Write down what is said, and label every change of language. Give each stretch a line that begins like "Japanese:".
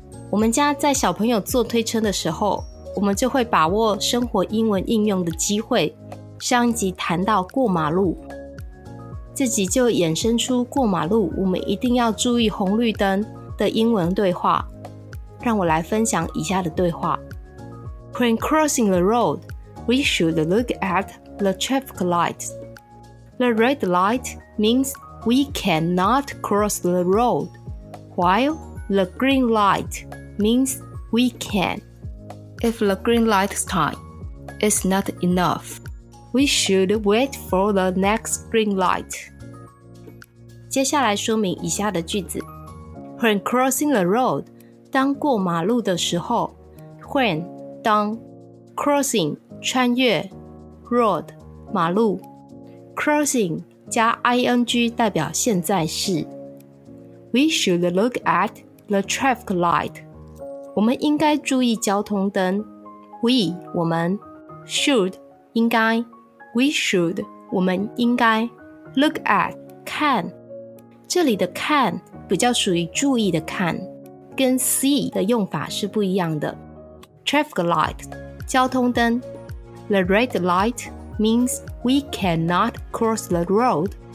Chinese: 我们家在小朋友坐推车的时候，我们就会把握生活英文应用的机会。上一集谈到过马路，这集就衍生出过马路我们一定要注意红绿灯的英文对话。让我来分享以下的对话。
English: When crossing the road, we should look at the traffic light. The red light means we cannot cross the road, while the green light means we can. If the green light's time is not enough,We should wait for the next green light.
Chinese: 接下来说明以下的句子。
English: When crossing the road,
Chinese: 当过马路的时候 ,when, 当 ,crossing, 穿越 ,road, 马路 ,crossing, 加 ing 代表现在式。
English: We should look at the traffic light.
Chinese: 我们应该注意交通灯。我们 should, 应该
English: We should,
Chinese: 我们应该
English: look at,
Chinese: 看。这里的看比较属于注意的看，跟 see 的用法是不一样的。
English: Traffic light, 交通灯。 The red light means we cannot cross the road.